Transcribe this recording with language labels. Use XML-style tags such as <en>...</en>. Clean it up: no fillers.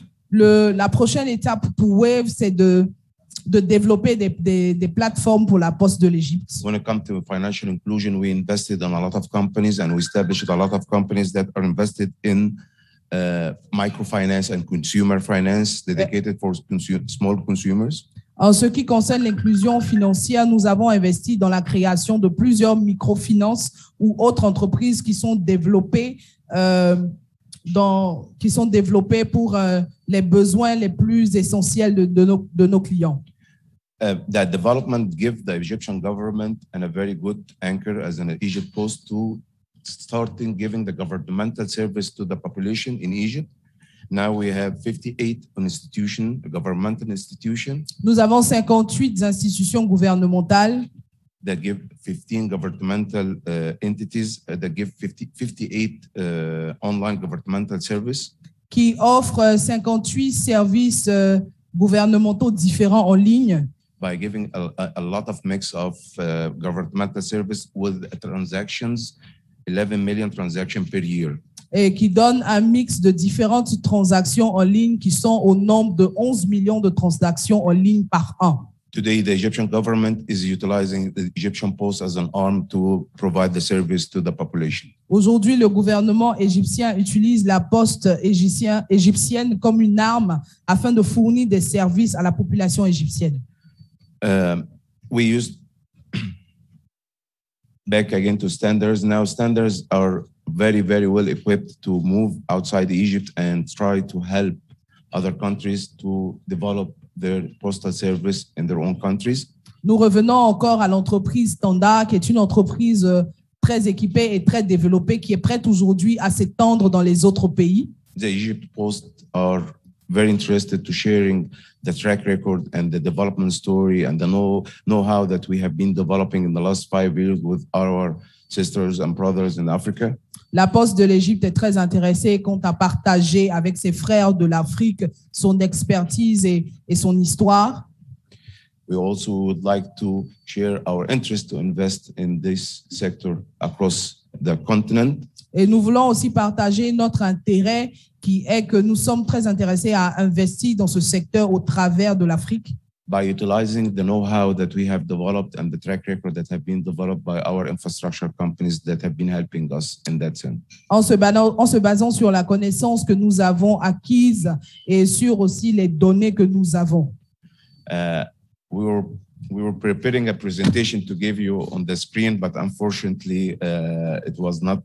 <fr>La prochaine étape pour Wave, c'est de développer des plateformes pour la poste de l'Égypte.</fr> <en>When it comes to financial inclusion, we invested in a lot of companies and we established a lot of companies that are invested in microfinance and consumer finance dedicated for small consumers.</en> <fr>En ce qui concerne l'inclusion financière, nous avons investi dans la création de plusieurs microfinances ou autres entreprises qui sont développées pour les besoins les plus essentiels de nos clients.</fr> <en>That development gives the Egyptian government and a very good anchor as an Egypt Post to starting giving the governmental service to the population in Egypt Now we have 58 institutions, governmental institutions.</en> <fr>Nous avons 58 institutions gouvernementales.</fr> <en>That give 15 governmental entities, that give 58 online governmental services.</en> <fr>Qui offrent 58 services gouvernementaux différents en ligne.</fr> <en>By giving a lot of mix of governmental service with transactions, 11 million transactions per year.</en> <fr>Et qui donne un mix de différentes transactions en ligne qui sont au nombre de 11 millions de transactions en ligne par an.</fr> <en>Today, the Egyptian government is utilizing the Egyptian Post as an arm to provide the service to the population.</en> <fr>Aujourd'hui, le gouvernement égyptien utilise la poste égyptienne comme une arme afin de fournir des services à la population égyptienne.</fr> <en>We used back again to standards. Now standards are very, very well equipped to move outside Egypt and try to help other countries to develop their postal service in their own countries.</en> <fr>Nous revenons encore à l'entreprise Standard, qui est une entreprise très équipée et très développée, qui est prête aujourd'hui à s'étendre dans les autres pays.</fr> <en>The Egypt Post are very interested to sharing the track record and the development story and the know-how that we have been developing in the last 5 years with our sisters and brothers in Africa.</en> <fr>La Poste de l'Égypte est très intéressée et compte à partager avec ses frères de l'Afrique son expertise et son histoire.</fr> <en>We also would like to share our interest to invest in this sector across the continent.</en> <fr>Et nous voulons aussi partager notre intérêt qui est que nous sommes très intéressés à investir dans ce secteur au travers de l'Afrique.</fr> <en>By utilizing the know-how that we have developed and the track record that have been developed by our infrastructure companies that have been helping us in that sense.</en> <fr>En se basant sur la connaissance que nous avons acquise et sur aussi les données que nous avons.</fr> <en>We were preparing a presentation to give you on the screen, but unfortunately it was not.</en>